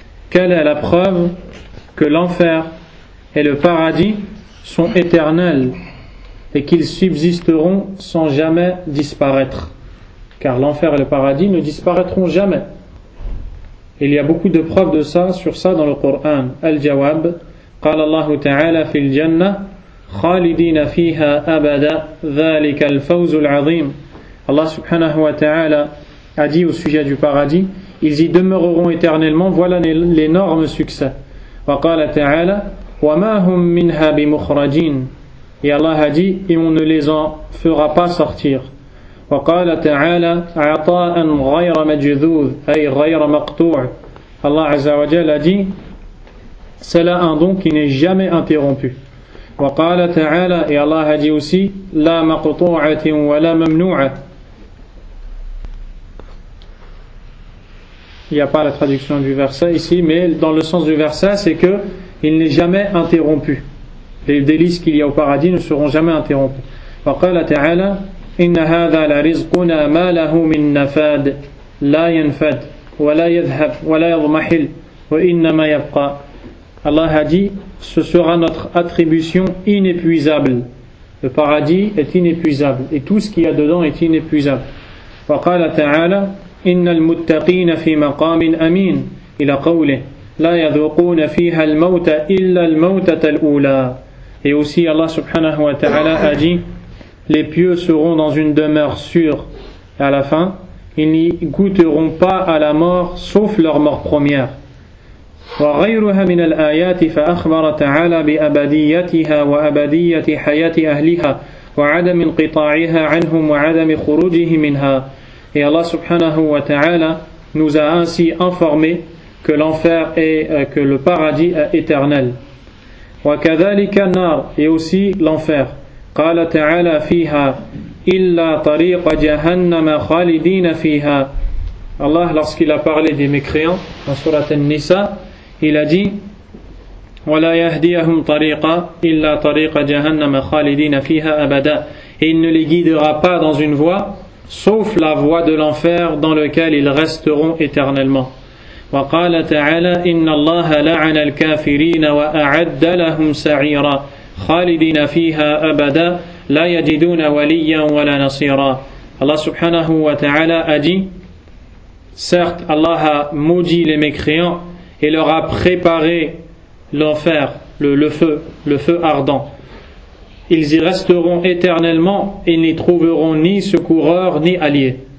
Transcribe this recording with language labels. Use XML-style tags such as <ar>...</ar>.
<fr>Quelle est la preuve que l'enfer et le paradis sont éternels et qu'ils subsisteront sans jamais disparaître. Car l'enfer et le paradis ne disparaîtront jamais. Il y a beaucoup de preuves de ça, sur ça dans le Coran.</fr> <ar>Al-Jawab, قال الله تعالى في الجنة خالدين فيها أبدا ذلك الفوز العظيم.</ar> <fr>Allah subhanahu wa ta'ala a dit au sujet du paradis, ils y demeureront éternellement, voilà l'énorme succès.</fr> <ar>وقال تعالى وما هم منها بمخرجين.</ar> <fr>Et Allah a dit, et on ne les en fera pas sortir.</fr> <ar>وقال تعالى عطاء غير مجذوذ أي غير مقطوع.</ar> <fr>Allah azza wa jalla a dit, c'est là un don qui n'est jamais interrompu.</fr> <ar>وقال تعالى,</ar> <fr>et Allah a dit aussi,</fr> <ar>لا مقطوعة ولا ممنوعة.</ar> <fr>Il n'y a pas la traduction du verset ici, mais dans le sens du verset, c'est que il n'est jamais interrompu. Les délices qu'il y a au paradis ne seront jamais interrompus.</fr> <ar>وقال تعالى إن هذا لرزقنا ما له من نفاد لا ينفد ولا يذهب ولا يضمحل وإنما يبقى.</ar> <fr>Allah a dit, ce sera notre attribution inépuisable. Le paradis est inépuisable et tout ce qu'il y a dedans est inépuisable.</fr> <ar>وقال تعالى إن المتقين في مقام أمين إلى قوله لا يذوقون فيها الموت إلا الموتة الأولى.</ar> <fr>Et aussi Allah subhanahu wa ta'ala a dit, les pieux seront dans une demeure sûre. Et à la fin, ils n'y goûteront pas à la mort sauf leur mort première.</fr> <ar>وغيرها من الآيات فأخبر تعالى بأبديتها وأبدية حياة أهلها وعدم انقطاعها عنهم وعدم خروجه منها.</ar> <fr>Et Allah subhanahu wa ta'ala nous a ainsi informé que l'enfer est, que le paradis est éternel.</fr> <ar>وكذلك النار,</ar> <fr>et aussi l'enfer.</fr> <ar>قال تعالى فيها إلا طريق جهنم خالدين فيها.</ar> <fr>Allah, lorsqu'il a parlé des mécréants dans surat An-Nisa, il a dit</fr> <ar>ولا يهديهم طريقا إلا طريق جهنم خالدين فيها أبدا.</ar> <fr>Et il ne les guidera pas dans une voie sauf la voie de l'enfer dans lequel ils resteront éternellement.</fr> <ar>وقال تعالى إن الله لعن الكافرين وأعد لهم سعيرا خالدين فيها أبدا لا يجدون وليا ولا نصيرا.</ar> <fr>Allah subhanahu wa ta'ala a dit, certes Allah a maudit les mécréants et leur a préparé l'enfer, le feu ardent. Ils y resteront éternellement et n'y trouveront ni secoureur ni allié.</fr>